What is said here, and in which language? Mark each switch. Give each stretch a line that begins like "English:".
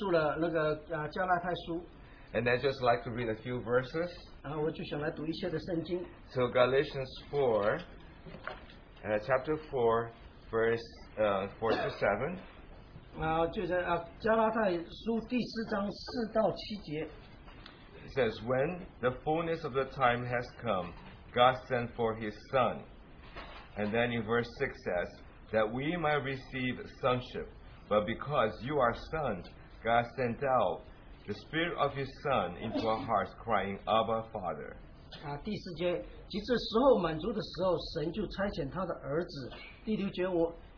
Chinese: 在星期五晚上，我们在家庭聚会，在Flushing这边的英语的家庭聚会里面呢，我们刚刚呢结束了那个加拉太书。
English: And I'd just like to read a few verses.
Chinese: 我就想来读一些的圣经。
English: So Galatians 4, chapter 4, verse 4 to 7.
Chinese: 就在加拉太书第四章4到7节
English: It says, When the fullness of the time has come, God sent for his Son. And then in verse 6 says, That we might receive sonship. But because you are sons, God sent out the Spirit of his Son into our hearts, crying, Abba, Father.
Chinese: 第四节，及至时候满足的时候，神就差遣他的儿子。第六节我。